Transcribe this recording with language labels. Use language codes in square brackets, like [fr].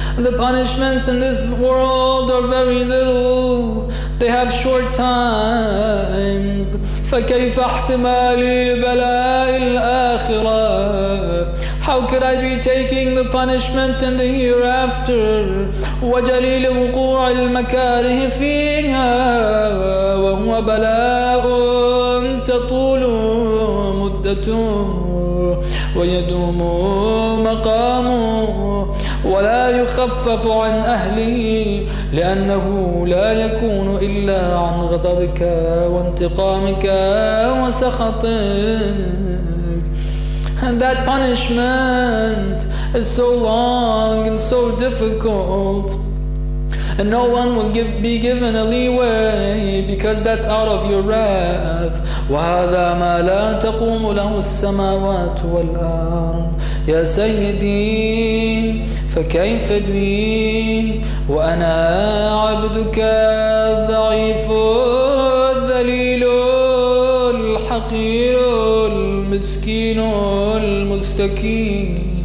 [en] And the punishments in this world are very little. They have short times. [ar] فكيف احتمالي البلاء الآخرة؟ [en] How could I be taking the punishment in the hereafter? [ar] وجليل وقوع المكاره فيها وهو بلاء تطول مدته ويدوم مقامه ولا يخفف عن أهله لأنه لا يكون إلا عن غضبك وانتقامك وسخطك. [en] And that punishment is so long and so difficult, and no one will be given a leeway because that's out of your wrath. [ar] وهذا ما لا تقوم له السماوات والأرض يا سيدي فكيف بي وأنا عبدك الضعيف الذليل الحقير المسكين المستكين.